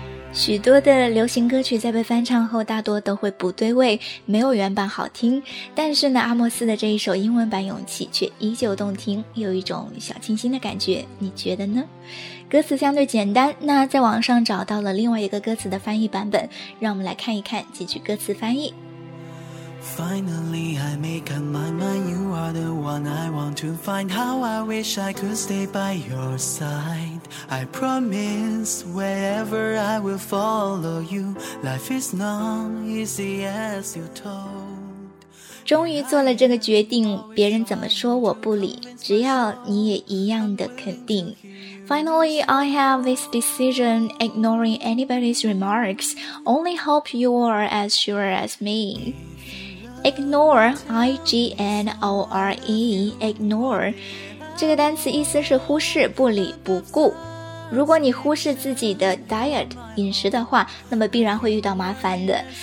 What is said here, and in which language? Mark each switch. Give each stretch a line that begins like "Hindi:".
Chinese: 许多的流行歌曲在被翻唱后大多都会不对位，没有原版好听，但是呢，阿莫斯的这一首英文版《勇气》却依旧动听，有一种小清新的感觉，你觉得呢？歌词相对简单，那在网上找到了另外一个歌词的翻译版本，让我们来看一看几句歌词翻译。
English: Finally, I make up my mind. You are the one I want to find. How I wish I could stay by your side. I promise wherever I will follow you. Life is not easy as you told.
Chinese: 终于做了这个决定，别人怎么说我不理，只要你也一样的肯定。
English: Finally, I have this decision, ignoring anybody's remarks. Only hope you are as sure as me. Ignore, I-G-N-O-R-E, ignore.
Chinese: 这个单词意思是忽视、不理、不顾。如果你忽视自己的 diet, 饮食的话，那么必然会遇到麻烦的。